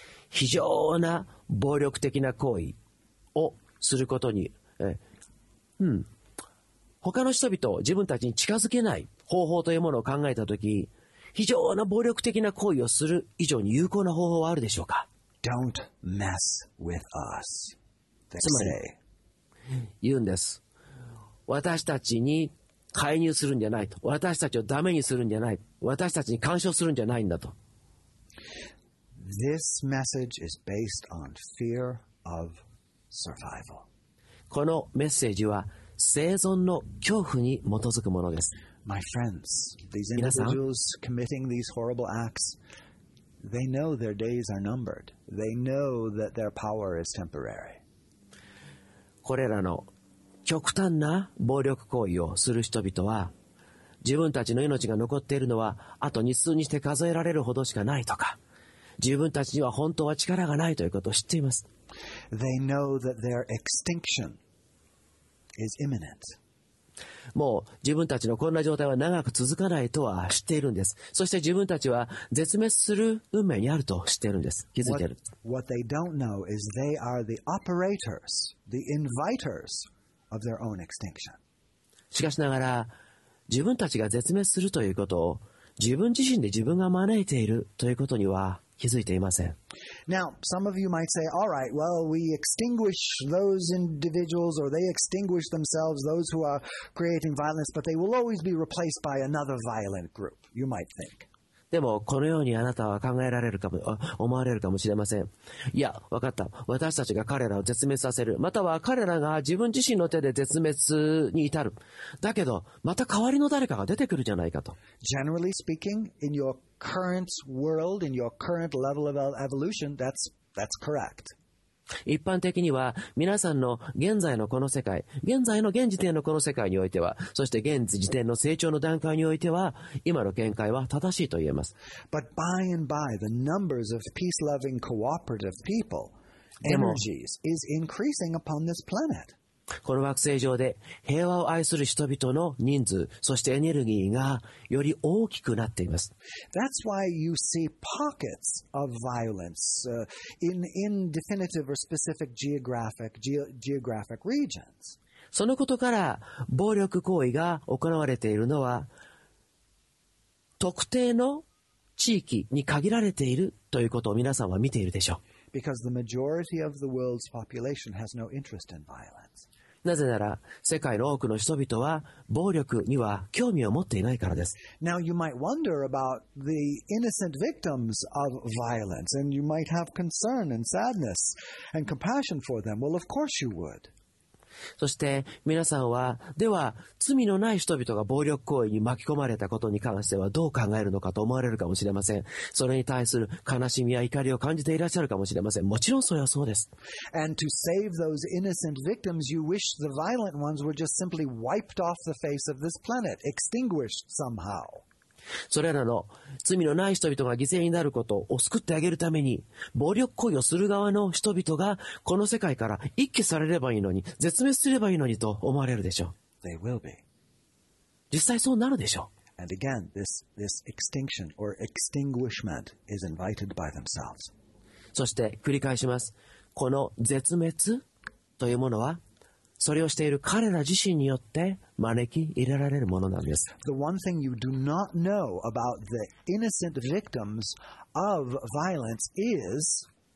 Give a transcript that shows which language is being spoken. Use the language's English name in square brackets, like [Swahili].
[Japanese] 非常な暴力的な行為をすることに、他の人々を自分たちに近づけない方法というものを考えたとき、非常な暴力的な行為をする以上に有効な方法はあるでしょうか。 [English] Don't mess with us. [Japanese] つまり言うんです、私たちに介入するんじゃないと、私たちをダメにするんじゃない、私たちに干渉するんじゃないんだと。 [English] This message is based on fear of survival. [Japanese] このメッセージは生存の恐怖に基づくものです。 [English] My friends, these individuals committing these horrible acts, they know their days are numbered. They know that their power is temporary. [Japanese] これらの極端な暴力行為をする人々は、自分たちの命が残っているのはあと日数にして数えられるほどしかないとか、自分たちには本当は力がないということを知っています。 [English] They know that their extinction is imminent. [Japanese] もう自分たちのこんな状態は長く続かないとは知っているんです。そして自分たちは絶滅する運命にあると知っているんです。気づいている。 [English] What they don't know is they are the operators, the inviters of their own extinction. [Japanese] しかしながら自分たちが絶滅するということを自分自身で自分が招いているということには気づいていません。 [English] Now, some of you might say, all right, well, we extinguish those individuals, or they extinguish themselves, those who are creating violence, but they will always be replaced by another violent group, you might think. [Japanese] でもこのようにあなたは考えられるかも、思われるかもしれません。いや、わかった。私たちが彼らを絶滅させる、または彼らが自分自身の手で絶滅に至る。だけど、また代わりの誰かが出てくるじゃないかと。 [English] Generally speaking, in your current world, in your current level of evolution, that's correct. [Japanese] 一般的には、皆さんの現在のこの世界、現在の現時点のこの世界においては、そして現時点の成長の段階においては、今の見解は正しいと言えます。 [English] But by and by, the numbers of peace-loving cooperative people, energies, is increasing upon this planet. [Japanese] この惑星上で平和を愛する人々の人数、そしてエネルギーがより大きくなっています。 [English] That's why you see pockets of violence, in definitive or specific geographic regions. [Japanese] そのことから暴力行為が行われているのは特定の地域に限られているということを皆さんは見ているでしょう。 [English] Because the majority of the world's population has no interest in violence. [Japanese] なぜなら世界の多くの人々は暴力には興味を持っていないからです。 [English] Now you might wonder about the innocent victims of violence, and you might have concern and sadness and compassion for them. Well, of course you would. [Japanese] そして皆さんは、では罪のない人々が暴力行為に巻き込まれたことに関してはどう考えるのかと思われるかもしれません。それに対する悲しみや怒りを感じていらっしゃるかもしれません。もちろんそれはそうです。 [English] And to save those innocent victims, you wish the violent ones were just simply wiped off the face of this planet, extinguished somehow. [Japanese] それらの罪のない人々が犠牲になることを救ってあげるために、暴力行為をする側の人々がこの世界から一揆されればいいのに、絶滅すればいいのにと思われるでしょう。 [English] They will be. [Japanese] 実際そうなるでしょう。 [English] And again, this extinction or extinguishment is invited by themselves. [Japanese] そして繰り返します。この絶滅というものは、それをしている彼ら自身によって招き入れられるものなんです。 [English] The one thing you do not know about the innocent victims of violence is、